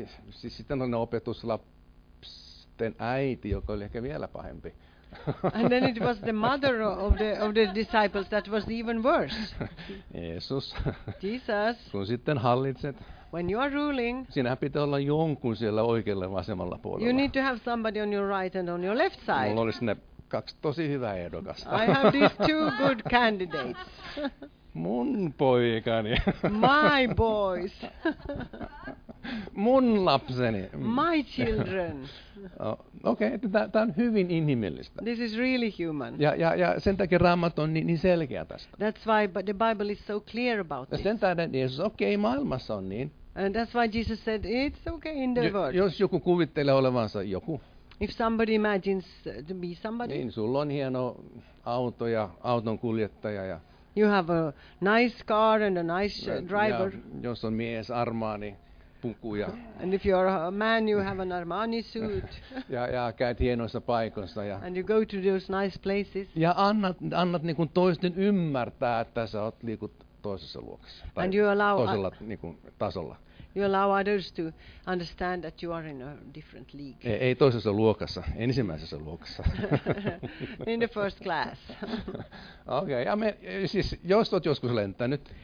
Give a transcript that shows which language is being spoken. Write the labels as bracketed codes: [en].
[fi] Siis sitten on opetuslapsen äiti, joka oli ehkä vielä pahempi. [en] And then it was the mother of the disciples that was even worse. [fi] Jeesus. [en] Jesus. [fi] Kun sitten hallitset. [en] When you are ruling, [fi] sinähän pitää olla jonkun siellä oikealla vasemmalla puolella. [en] You need to have somebody on your right and on your left side. [fi] Mulla olisi ne kaksi tosi hyvää ehdokasta. [en] I have these two good candidates. [fi] Mun poikani. [en] My boys. [fi] Mun lapseni. [en] My children. [fi] Okei, tämä on hyvin inhimillistä. [en] This is really human. [fi] Ja sen takia Raamattu on niin selkeä tästä. [en] That's why the Bible is so clear about this. [fi] Ja sen tähden Jeesus, okei, maailmassa on niin. [en] And that's why Jesus said, it's okay in the world. [fi] Jos joku kuvittelee olevansa joku. [en] If somebody imagines to be somebody. [fi] Niin, sulla on hieno auto ja auton kuljettaja ja. [en] You have a nice car and a nice driver. [fi] Ja jos on mies Armani puku ja. [en] And if you are a man, you have an Armani suit. [fi] ja käyt hienoissa paikoissa ja. [en] And you go to those nice places. [fi] Ja annat niin kuin toisten ymmärtää, että sä oot liikut toisessa luokassa. [en] And you allow [fi] toisella niin kuin tasolla. [en] You allow others to understand that you are in a different league. [fi] Ei toisessa luokassa, ensimmäisessä luokassa. [en] In the first class. [fi] Okei, okay, ja me, siis jos olet joskus lentänyt.